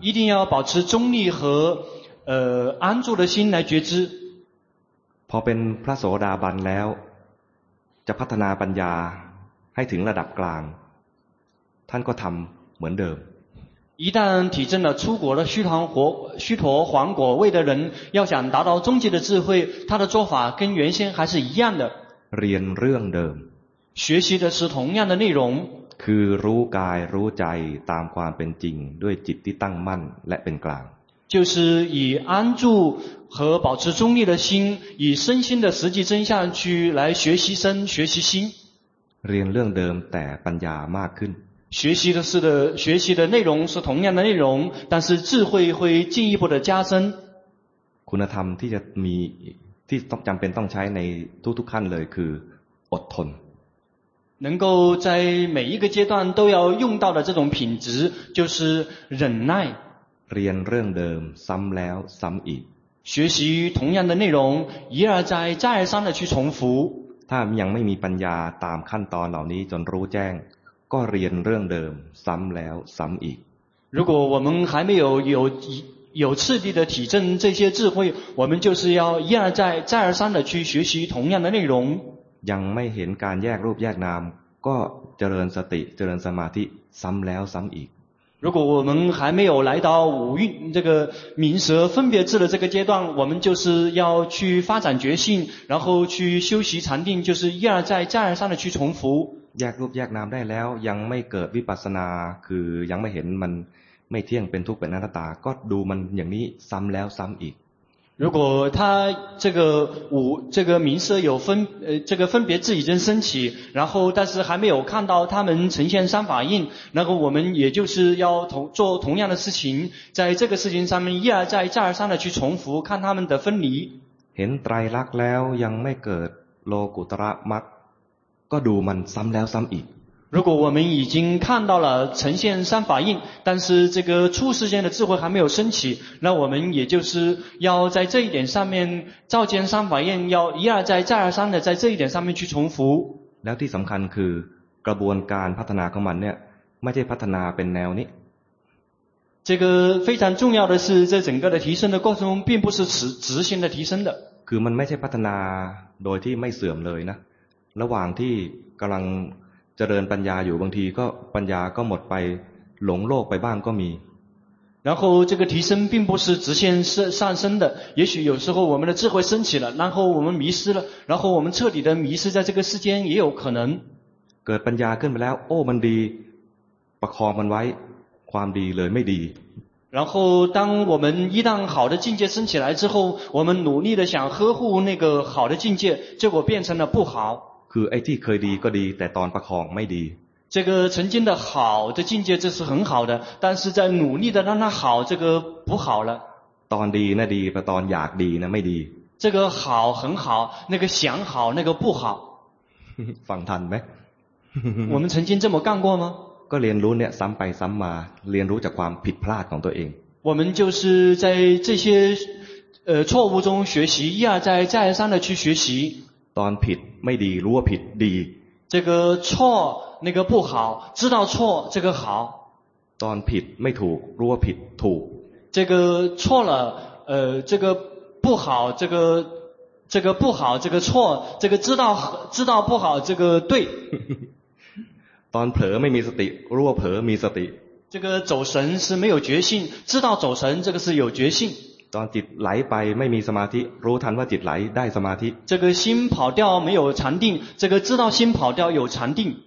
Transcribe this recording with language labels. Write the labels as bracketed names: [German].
[Chinese] 一定要保持中立和安住的心来觉知 [Thai] พอเป็นพระโสดาบันแล้วจะพัฒนาปัญญาให้ถึงระดับกลางท่านก็ทำเหมือนเดิม [Chinese] 一旦体证了出果的须陀洹果位的人要想达到终极的智慧他的做法跟原先还是一样的 [Thai] เรียนเรื่องเดิม [Chinese] 学习的是同样的内容 [Thai] คือรู้กายรู้ใจตามความเป็นจริงด้วยจิตที่ตั้งมั่นและเป็นกลาง [Chinese] 就是以安住和保持中立的心以身心的实际真相去来学习身学习心 [Thai] เรียนเรื่องเดิมแต่ปัญญามากขึ้น [Chinese] 学习的内容是同样的内容但是智慧会进一步的加深 [Thai] คุณธรรมที่จะมีที่จำเป็นต้องใช้ในทุกขั้นเลยคืออดทน [Chinese] 能够在每一个阶段都要用到的这种品质就是忍耐 [Thai] เรียนเรื่องเดิมซ้ำแล้วซ้ำอีก [Chinese] 学习同样的内容一而再再而三的去重复 [Thai] ถ้ายังไม่มีปัญญาตามขั้นตอนเหล่านี้จนรู้แจ้งก็เรียนเรื่องเดิมซ้ำแล้วซ้ำอีก [Chinese] 如果我们还没有有次第的体证这些智慧我们就是要一而再再而三的去学习同样的内容 [Thai] ยังไม่เห็นการแยกรูปแยกนามก็เจริญสติเจริญสมาธิซ้ำแล้วซ้ำอีก [Chinese] 如果我们还没有来到五蕴这个明舌分别智的这个阶段我们就是要去发展觉性然后去修习禅定就是一而再再而三的去重复 [Thai] แยกรูปแยกนามได้แล้วยังไม่เกิดวิปัสสนาคือยังไม่เห็นมันไม่เที่ยงเป็นทุกข์เป็นอนัตตาก็ดูมันอย่างนี้ซ้ำแล้วซ้ำอีก [Chinese] 如果他这个五这个名色有分这个分别智已经升起然后但是还没有看到他们呈现三法印那个我们也就是要做同样的事情在这个事情上面一而再再而三的去重复看他们的分离 [Thai] เห็นไตรลักษณ์แล้วยังไม่เกิดโลกุตระมรรคก็ดูมันซ้ำแล้วซ้ำอีก [Chinese] 如果我们已经看到了呈现三法印但是这个初世间的智慧还没有升起那我们也就是要在这一点上面照见三法印要一而再再而三的在这一点上面去重复 [Thai] แล้วที่สำคัญคือกระบวนการพัฒนาของมันเนี่ยไม่ใช่พัฒนาเป็นแนวนี้ [Chinese] 这个非常重要的是这整个的提升的过程并不是直行的提升的 [Thai] คือมันไม่ใช่พัฒนาโดยที่ไม่เสื่อมเลยนะระหว่างที่กำลัง จริญปัญญาอยู่บางทีก็ปัญญาก็หมดไปหลงโลกไปบ้างก็มี [Chinese] 然后这个提升并不是直线上升的，也许有时候我们的智慧升起了，然后我们迷失了，然后我们彻底的迷失在这个世间也有可能。 [Thai] เกิดปัญญาขึ้นไปแล้วโอ้มันดีประคองมันไว้ความดีเลยไม่ดี [Chinese] 然后当我们一旦好的境界升起来之后，我们努力的想呵护那个好的境界，结果变成了不好。 [Thai] คือไอ้ที่เคยดีก็ดีแต่ตอนประคองไม่ดี [Chinese] 这个曾经的好的境界这是很好的，但是在努力的让它好，这个不好了。 [Thai] ตอนดีนะดีแต่ตอนอยากดีนะไม่ดี [Chinese] 这个好很好，那个想好那个不好。 [Thai] ฟังทันไหม [Chinese] 我们曾经这么干过吗？ [Thai] ก็เรียนรู้เนี่ยซ้ำไปซ้ำมาเรียนรู้จากความผิดพลาดของตัวเอง [Chinese] 我们就是在这些错误中学习，一而再再而三的去学习。 [Thai] ตอนผิดไม่ดีรู้ว่าผิดดี [Chinese] 这个错那个不好，知道错这个好。 [Thai] ตอนผิดไม่ถูกรู้ว่าผิดถูก [Chinese] 这个错了这个不好这个不好这个错这个知道不好这个对。 [Thai] ตอนเผลอไม่มีสติรู้ว่าเผลอมีสติ [Chinese] 这个走神是没有觉性知道走神这个是有觉性 [Thai] ตอนจิตไหลไปไม่มีสมาธิรู้ทันว่าจิตไหลได้สมาธิ [Chinese] 这个心跑掉没有禅定这个知道心跑掉有禅定